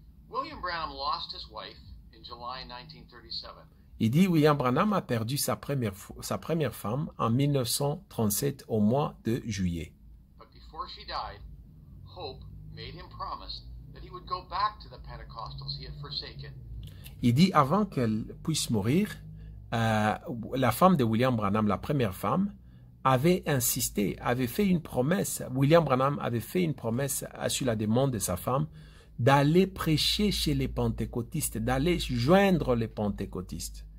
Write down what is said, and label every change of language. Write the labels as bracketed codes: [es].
[en] William Branham lost his wife in July 1937. [fr] Il dit, William Branham a perdu sa première femme en 1937 au mois de juillet. [en] But before she died, Hope made him promise that he would go back to the Pentecostals he had forsaken. [fr] Il dit, avant qu'elle puisse mourir, la femme de William Branham, la première femme, avait insisté, avait fait une promesse. William Branham avait fait une promesse sur la demande de sa femme d'aller prêcher chez les pentecôtistes, d'aller joindre les pentecôtistes.